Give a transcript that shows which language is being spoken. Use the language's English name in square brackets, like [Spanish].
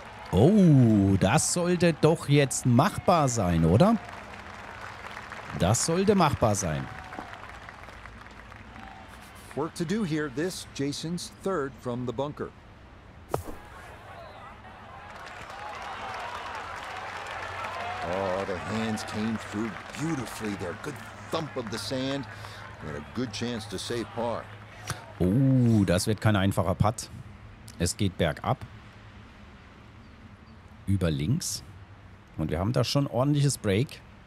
[German] Oh, das sollte doch jetzt machbar sein, oder? Das sollte machbar sein. [English] Work to do here, this Jason's third from the bunker. Oh, the hands came through beautifully there. Good thump of the sand. We had a good chance to save par. [German] Oh, das wird kein einfacher Putt. Es geht bergab. Über links. Und wir haben da schon ordentliches Break.